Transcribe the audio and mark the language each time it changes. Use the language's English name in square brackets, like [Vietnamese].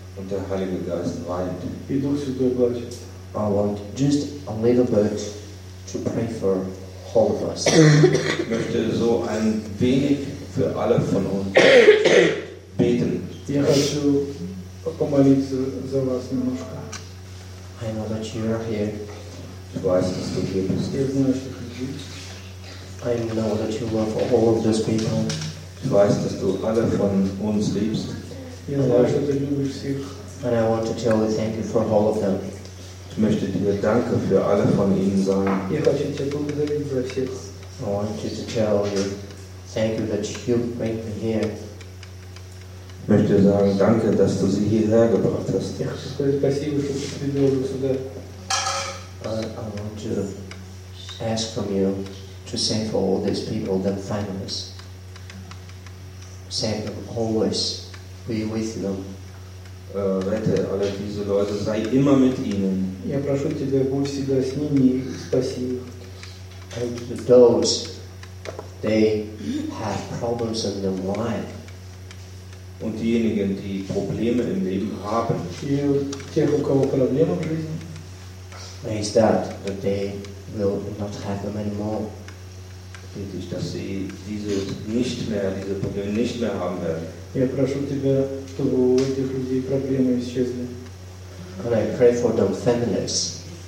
[German] Und der Heilige Geist weint. [English] I want just a little bit to pray for. All of us. [German] Ich möchte so ein wenig für alle von uns beten. [Russian] Я хочу помолиться за вас немножко. [English] I know that you are here. [German] Ich weiß, dass du hier bist. [Russian] Я знаю, что ты здесь. [English] I know that you love all of those people. [German] Ich weiß, dass du alle von uns liebst. [English] And I want to tell you thank you for all of them. [German] Ich möchte dir Danke für alle von ihnen sagen. [English] I want you to tell you thank you that you bring me here. [German] Ich möchte sagen, danke, dass du sie hierher gebracht hast. [English] I want to ask from you to send for all these people that find us. Send them always. Be with them. [German] Rette alle diese Leute, sei immer mit ihnen. [Russian] Я прошу тебя, будь всегда с ними, спаси их. [English] And to those, they have problems in their life. [German] Und diejenigen, die Probleme im Leben haben, [English] means that they will not have them anymore. [German] Bitte ich, dass sie diese Probleme nicht mehr haben werden. [Russian] Я прошу тебя, чтобы у этих людей проблемы исчезли. [English] And I pray for them families.